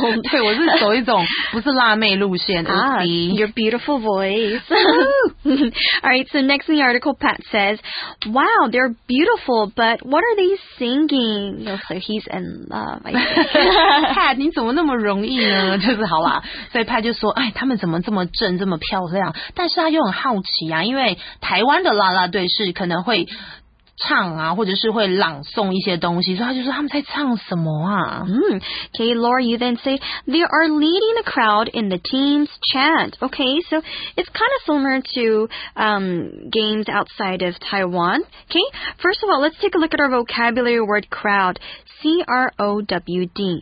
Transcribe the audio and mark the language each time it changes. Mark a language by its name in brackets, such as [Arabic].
[Chinese] 对，我是走一种不是辣妹路线。 [English] Your beautiful voice. All right, so next in the article, Pat says, wow, they're beautiful, but what are they singing? So he's in love, I think. [Chinese] Pat, 你怎么那么容易呢？就是好啦。所以 Pat 就说，哎，他们怎么这么正，这么漂亮？但是他又很好奇啊，因为台湾的啦啦队是可能会唱啊，或者是会朗诵一些东西，所以他就说他们在唱什么啊？ [English] Okay, Laura, you then say they are leading the crowd in the team's chant. Okay, so it's kind of similar to games outside of Taiwan. Okay, first of all, let's take a look at our vocabulary word crowd. C-R-O-W-D.